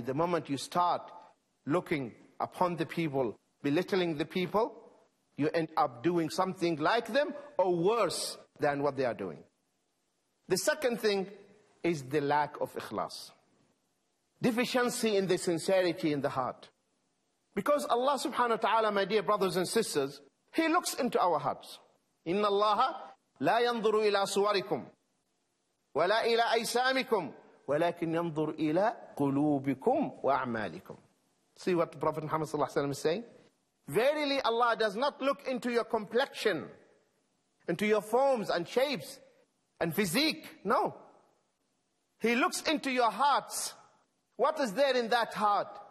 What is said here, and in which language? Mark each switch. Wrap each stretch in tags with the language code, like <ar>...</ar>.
<en>The moment you start looking upon the people, belittling the people, you end up doing something like them or worse than what they are doing. The second thing is the lack of ikhlas. Deficiency in the sincerity in the heart. Because Allah subhanahu wa ta'ala, my dear brothers and sisters, he looks into our hearts.</en> <ar>"Inna Allaha لا ينظر إلى صوركم ولا إلى أجسامكم ولكن ينظر إلى قلوبكم وأعمالكم.</ar> <en>See what the Prophet Muhammad</en> <ar>صلى الله عليه وسلم</ar> <en>is saying? Verily Allah does not look into your complexion, into your forms and shapes and physique. No. He looks into your hearts. What is there in that heart?</en>